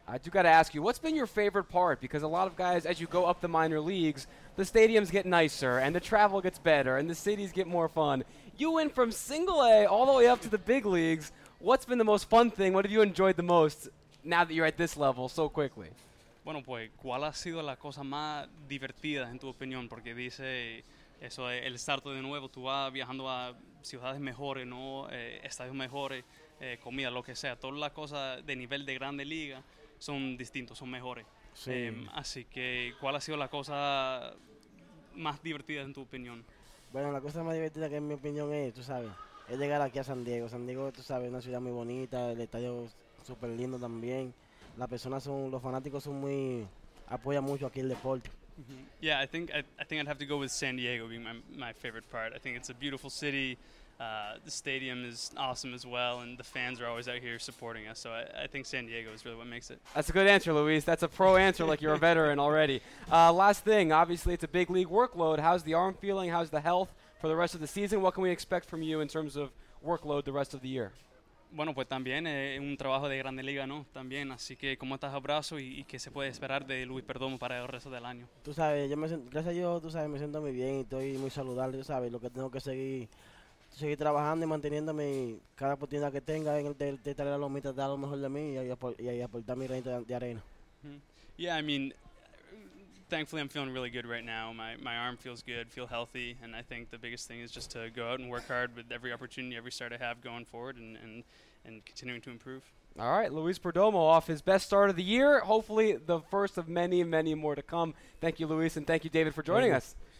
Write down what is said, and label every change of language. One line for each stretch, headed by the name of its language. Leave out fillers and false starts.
English: I do got to ask you, what's been your favorite part? Because a lot of guys, as you go up the minor leagues, the stadiums get nicer and the travel gets better and the cities get more fun. You went from single A all the way up to the big leagues. What's been the most fun thing? What have you enjoyed the most now that you're at this level so quickly?
Spanish: Bueno, pues, ¿cuál ha sido la cosa más divertida en tu opinión? Porque dice eso, el salto de nuevo, tú vas viajando a ciudades mejores, ¿no? Estadios mejores, comida, lo que sea. Todas las cosas de nivel de grande liga son distintos, son mejores. Sí. Así que, ¿cuál ha sido la cosa más divertida en tu opinión? Bueno, la cosa más divertida que en mi opinión es, tú sabes, es llegar aquí a San Diego. San Diego, tú sabes, es una ciudad muy bonita, el estadio súper lindo también. Las personas son, los fanáticos son muy, apoyan mucho aquí el deporte. Mm-hmm.
English: Yeah, I think I'd have to go with San Diego being my favorite part. I think it's a beautiful city. The stadium is awesome as well, and the fans are always out here supporting us. So I think San Diego is really what makes it. That's a good answer, Luis. That's a pro answer, like you're a veteran already. Last thing, obviously it's a big league workload. How's the arm feeling? How's the health for the rest of the season? What can we expect from you in terms of workload the rest of the year?
Spanish: Bueno, pues también es un trabajo de grande liga, ¿no? También, así que, ¿cómo estás, abrazo? ¿Y qué se puede esperar de Luis Perdomo para el resto del año? Tú sabes, gracias a Dios, me siento muy bien y estoy muy saludable, ¿sabes? Lo que tengo que seguir trabajando y manteniéndome y cada oportunidad que tenga en el de estar a los mitos, dar lo mejor de mí y aportar mi granito de arena. Mm-hmm.
English: Yeah, I mean, thankfully I'm feeling really good right now. My arm feels good, feel healthy, and I think the biggest thing is just to go out and work hard with every opportunity, every start I have going forward and continuing to improve. All right, Luis Perdomo off his best start of the year. Hopefully the first of many, many more to come. Thank you, Luis, and thank you, David, for joining us.